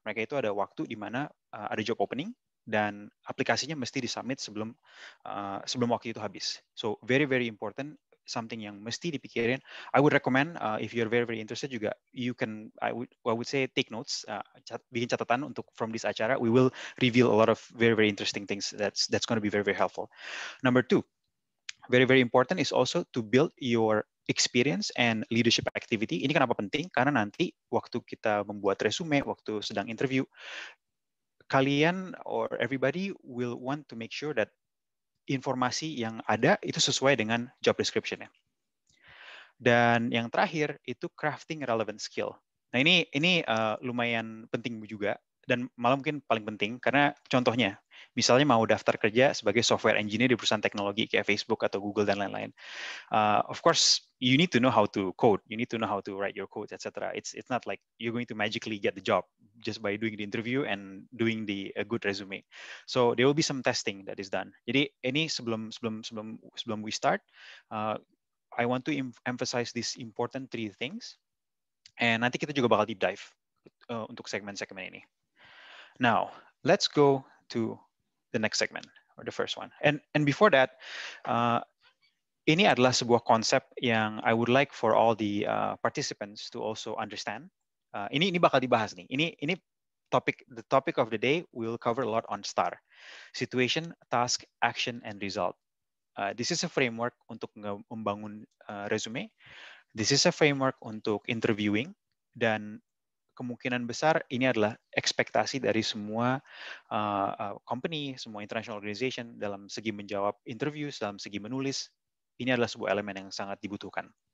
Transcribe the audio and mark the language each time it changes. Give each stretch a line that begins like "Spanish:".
Indonesian: Mereka itu ada waktu di mana ada job opening, dan aplikasinya mesti disubmit sebelum sebelum waktu itu habis.
English: So very very important, something
Indonesian: yang mesti dipikirin.
English: I would recommend if you're very very interested
Indonesian: juga,
English: you can I would say take notes,
Indonesian: bikin catatan untuk
English: from this acara. We will reveal a lot of very very interesting things that's going to be very very helpful. Number two, very very important is also to build your experience and leadership activity.
Indonesian: Ini kenapa penting? Karena nanti waktu kita membuat resume, waktu sedang interview, kalian
English: or everybody will want to make sure that
Indonesian: informasi yang ada itu sesuai dengan job description-nya. Dan yang terakhir itu
English: crafting relevant skill.
Indonesian: Nah ini lumayan penting juga dan malah mungkin paling penting karena contohnya misalnya mau daftar kerja sebagai software engineer di perusahaan teknologi kayak Facebook atau Google dan lain-lain.
English: Of course you need to know how to code, you need to know how to write your code, etc. It's not like you're going to magically get the job just by doing the interview and doing the a good resume. So there will be some testing that is done.
Indonesian: Jadi ini sebelum
English: we start, I want to emphasize these important three things.
Indonesian: And nanti kita juga bakal deep dive untuk segmen-segmen ini.
English: Now, let's go to the next segment or the first one. And before that,
Indonesian: ini adalah sebuah konsep yang
English: I would like for all the participants to also understand.
Indonesian: Ini bakal dibahas nih.
English: Ini the topic of the day, we'll cover a lot on STAR. Situation, task, action, and result. This is a framework
Indonesian: untuk membangun resume.
English: This is a framework
Indonesian: untuk interviewing, dan kemungkinan besar ini adalah ekspektasi dari semua company, semua international organization dalam segi menjawab interview, dalam segi menulis. Ini adalah sebuah elemen yang sangat dibutuhkan.